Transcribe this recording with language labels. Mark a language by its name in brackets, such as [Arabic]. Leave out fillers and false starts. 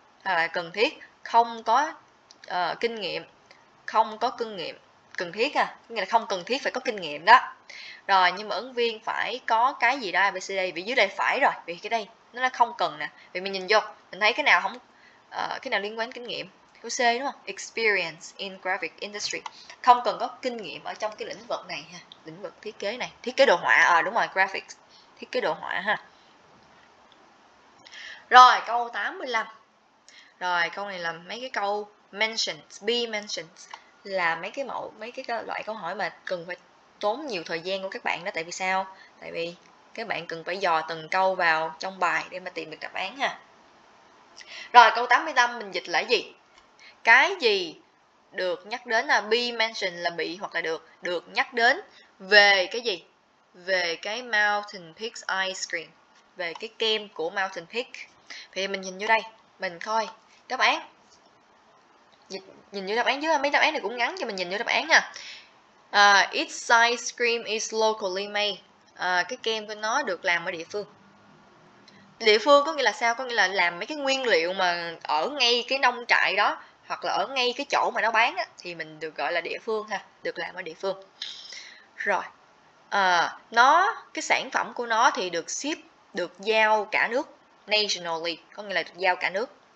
[Vietnamese] Hoặc là cần thiết, không có kinh nghiệm, không có kinh nghiệm, cần thiết à, nghĩa là không cần thiết phải có kinh nghiệm đó. Rồi nhưng mà ứng viên phải có cái gì đó ABCD, vì dưới đây phải rồi, vì cái đây nó là không cần nè. Vì mình nhìn vô, mình thấy cái nào không cái nào liên quan kinh nghiệm. Câu C đúng không? [English] Experience in graphic industry. [Vietnamese] Không cần có kinh nghiệm ở trong cái lĩnh vực này ha, lĩnh vực thiết kế này, thiết kế đồ họa à, đúng rồi, graphics, thiết kế đồ họa ha. Rồi, câu 85. Rồi, câu này là mấy cái câu mentions, be mentions là mấy cái mẫu, mấy cái loại câu hỏi mà cần phải tốn nhiều thời gian của các bạn đó. Tại vì sao? Tại vì các bạn cần phải dò từng câu vào trong bài để mà tìm được đáp án ha. Rồi, câu 85 mình dịch là gì? Cái gì được nhắc đến là be mentioned là bị hoặc là được, được nhắc đến về cái gì? Về cái Mountain Peaks Ice Cream, về cái kem của Mountain Peak. Thì mình nhìn vô đây, mình coi đáp án. Nhìn vô đáp án chứ mấy đáp án này cũng ngắn cho mình nhìn vô đáp án nha. [English] Its ice cream is locally made. [Vietnamese] Cái kem của nó được làm ở địa phương. Địa phương có nghĩa là sao? Có nghĩa là làm mấy cái nguyên liệu mà ở ngay cái nông trại đó hoặc là ở ngay cái chỗ mà nó bán á, thì mình được gọi là địa phương ha, được làm ở địa phương. Rồi. Nó cái sản phẩm của nó thì được ship, được giao cả nước, nationally, có nghĩa là được giao cả nước.